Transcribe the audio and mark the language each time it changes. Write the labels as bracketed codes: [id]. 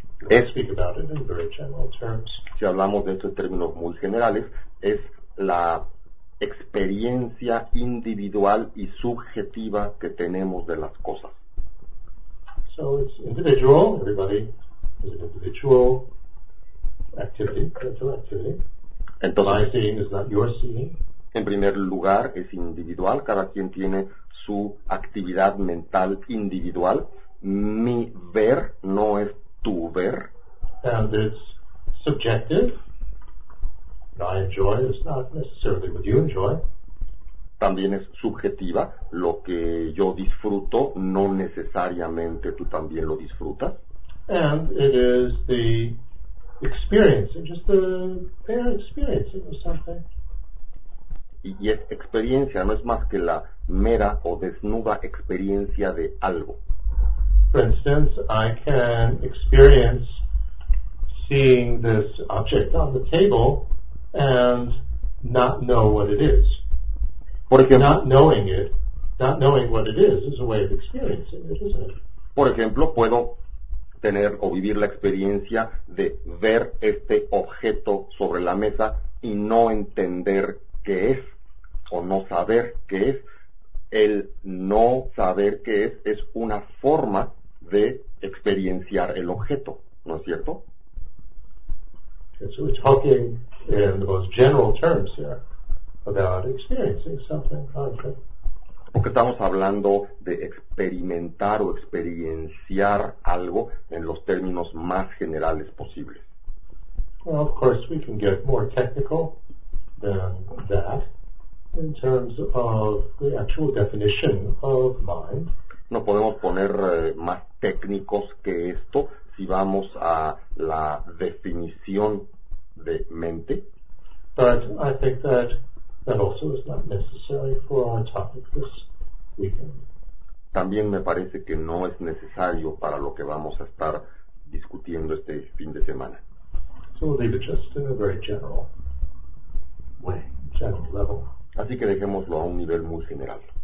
[es] Es, [en] speak about it in very general terms. [es] Si hablamos de estos términos muy generales, es la experiencia individual y subjetiva que tenemos de las cosas. [en] So it's individual, everybody is an individual activity, mental activity. [es] Entonces, [en] my seeing is not your seeing. [es] En primer lugar, es individual, cada quien tiene su actividad mental individual, mi ver no es tu ver. [en] And it's subjective. My joy is not necessarily what you enjoy. [es] También es subjetiva. Lo que yo disfruto no necesariamente tú también lo disfrutas. [en] And it is the experience, just the bare experience of something. [es] Y es experiencia, no es más que la mera o desnuda experiencia de algo. [en] For instance, I can experience seeing this object on the table and not know what it is. [es] Por ejemplo, [en] not knowing it, not knowing what it is a way of experiencing it, isn't it? [es] Por ejemplo, puedo tener o vivir la experiencia de ver este objeto sobre la mesa y no entender qué es, o no saber qué es. El no saber qué es una forma de experienciar el objeto, ¿no es cierto? [en] Okay, so we're talking in the most general terms here about experiencing something concrete. [es] Porque estamos hablando de experimentar o experienciar algo en los términos más generales posibles. [en] Well, of course, we can get more technical than that in terms of the actual definition of mind. [es] No podemos poner más técnicos que esto si vamos a la definición de mente. [en] But I think that that also is not necessary for our topic this weekend. [es] También me parece que no es necesario para lo que vamos a estar discutiendo este fin de semana. [en] So we'll leave it just in a very general way, general level. [es] Así que dejémoslo a un nivel muy general.